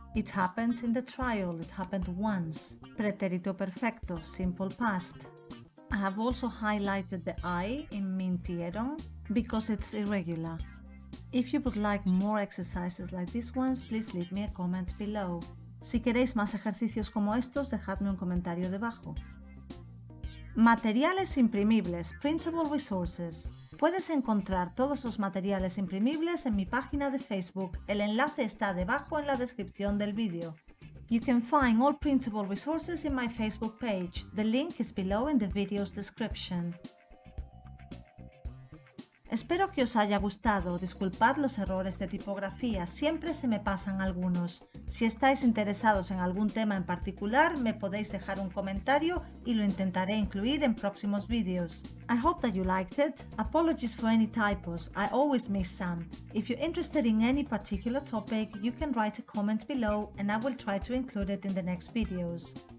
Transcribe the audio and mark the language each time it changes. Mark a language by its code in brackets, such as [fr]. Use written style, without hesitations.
[en] It happened in the trial. It happened once. Pretérito perfecto. Simple past. I have also highlighted the I in mintieron because it's irregular. If you would like more exercises like these ones, please leave me a comment below. [es] Si queréis más ejercicios como estos, dejadme un comentario debajo. Materiales imprimibles, [en] printable resources. [es] Puedes encontrar todos los materiales imprimibles en mi página de Facebook. El enlace está debajo en la descripción del vídeo. [en] You can find all printable resources in my Facebook page. The link is below in the video's description. [es] Espero que os haya gustado. Disculpad los errores de tipografía, siempre se me pasan algunos. Si estáis interesados en algún tema en particular, me podéis dejar un comentario y lo intentaré incluir en próximos vídeos. [en] I hope that you liked it. Apologies for any typos, I always miss some. If you're interested in any particular topic, you can write a comment below and I will try to include it in the next videos.